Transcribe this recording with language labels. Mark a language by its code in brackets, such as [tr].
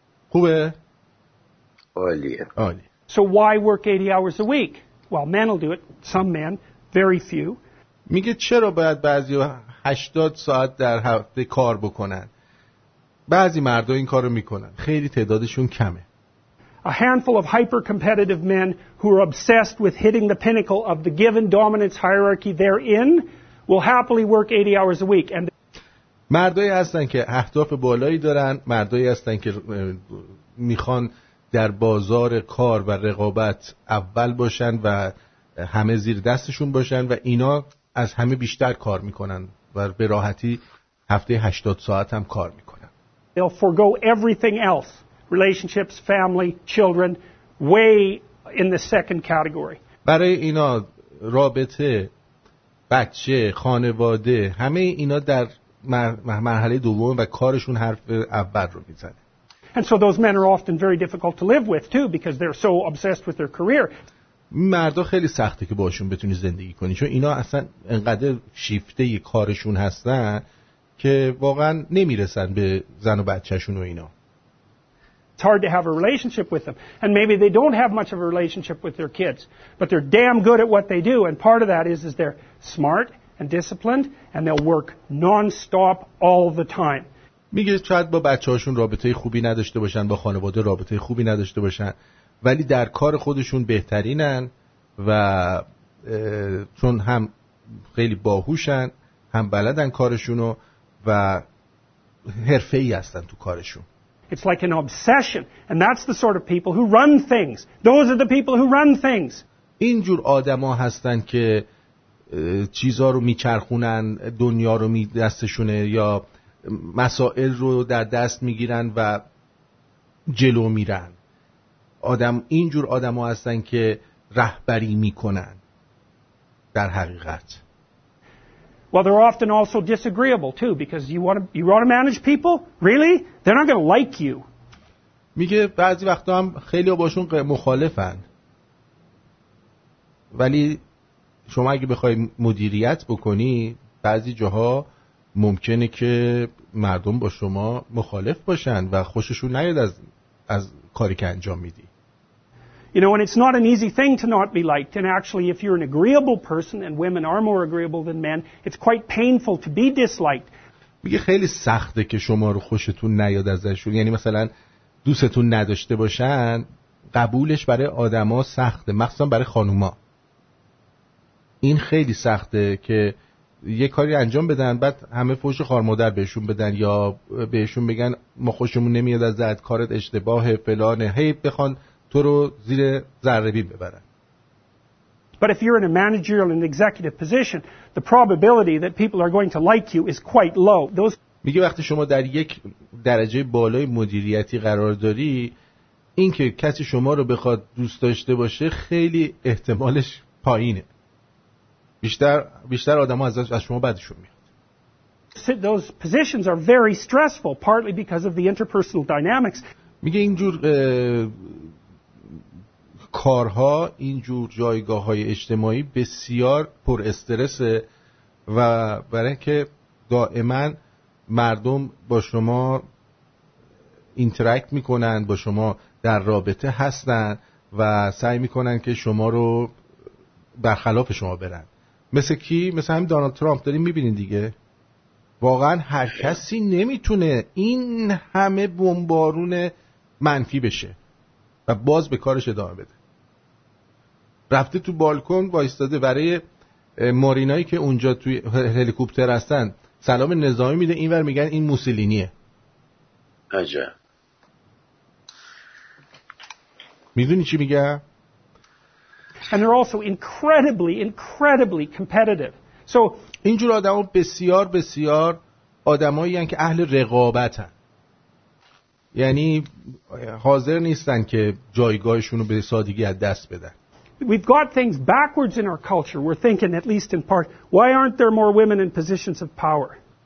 [fa] خوبه؟ عالیه. عالی. [en] So why work 80 hours a week? Well, men will do it. Some men, very few. [fa] میگه چرا باید بعضی 80 ساعت در هفته کار بکنن؟ بعضی مردا این کارو میکنن. خیلی تعدادشون کمه. [en] A handful of hyper-competitive men who are obsessed with hitting the pinnacle of the given dominance hierarchy they're in will happily work 80 hours a week. And [fa] مردایی هستن که اهداف بالایی دارن، مردایی هستن که میخوان در بازار کار و رقابت اول باشن و همه زیر دستشون باشن و اینا از همه بیشتر کار میکنن و به راحتی هفته 80 ساعت هم کار میکنن. [en] They'll forgo everything else. Relationships, family, children, way in the second category. [fa] برای اینا رابطه، بچه، خانواده، همه اینا در مرحله دوم و کارشون حرف اول رو میزنه. [en] And so those men are often very difficult to live with too because they're so obsessed with their career. [fa] مردا خیلی سخته که باشون بتونی زندگی کنی، چون اینا اصلا انقدر شیفته ی کارشون هستن که واقعا نمیرسن به زن و بچهشون و اینا. [en] It's hard to have a relationship with them, and maybe they don't have much of a relationship with their kids, but they're damn good at what they do, and part of that is they're smart and disciplined, and they'll work non-stop all the time. [fa] میگه شاید با بچه‌هاشون رابطه خوبی نداشته باشن، با خانواده رابطه خوبی نداشته باشن، ولی در کار خودشون بهترینن و چون هم خیلی باهوشن، هم بلدن کارشونو و حرفه‌ای هستن تو کارشون. [en] It's like an obsession, and that's the sort of people who run things. Those are the people who run things. [fa] این جور آدم‌ها هستن که چیزها رو میچرخونن، دنیا رو می دستشونه یا مسائل رو در دست میگیرن و جلو میرن. این جور آدم‌ها هستن که رهبری میکنن در حقیقت. [en] Well, they're often also disagreeable too, because you want to manage people? Really? They're not going to like you. [fa] میگه بعضی وقتا هم خیلی ها باشون مخالفن. ولی شما اگه بخوای مدیریت بکنی، بعضی جاها ممکنه که مردم با شما مخالف باشن و خوششون نیاد از کاری که انجام میدی. You know, and it's not an easy thing to not be liked. And actually, if you're an agreeable person, and women are more agreeable than men, it's quite painful to be disliked. میگه خیلی سخته که شما رو خوشتون نیاد ازشون. یعنی مثلا دوستتون نداشته باشن، قبولش برای آدما سخته، مخصوصا برای خانوما. این خیلی سخته که یه کاری انجام بدن بعد همه فوش خارمادر بهشون بدن، یا بهشون بگن ما خوشمون نمیاد از ذات کارت، اشتباه فلانه، هی بخوان تو رو زیر ذره‌بین ببرن. [en] But if you're in a managerial and executive position, the probability that people are going to like you is quite low. [fa] میگه وقتی شما در یک درجه بالای مدیریتی قرار داری، اینکه کسی شما رو بخواد دوست داشته باشه خیلی احتمالش پایینه. بیشتر آدم‌ها از شما بعدشون میاد. [en] So those positions are very stressful, partly because of the interpersonal dynamics. [fa] میگه اینجور کارها، اینجور جایگاه‌های اجتماعی بسیار پر استرسه، و برای اینکه دائما مردم با شما اینتراکت میکنن، با شما در رابطه هستن و سعی میکنن که شما رو برخلاف شما برن. مثل کی؟ مثل همین دونالد ترامپ. داریم میبینین دیگه، واقعا هر کسی نمیتونه این همه بمبارون منفی بشه و باز به کارش ادامه بده. رفته تو بالکن وایستاده برای مارینایی که اونجا توی هلیکوپتر هستن سلام نظامی میده، اینور میگن این موسولینیه. عجب. میدونی چی میگه؟ [en] And they're also incredibly, incredibly competitive. So [fa] اینجور آدم ها بسیار بسیار آدم هایی هن که اهل رقابت هن. یعنی حاضر نیستن که جایگاهشون رو به سادگی از دست بدن. [en] We've got things backwards in our culture. We're thinking, at least in part, why aren't there more women in positions of power?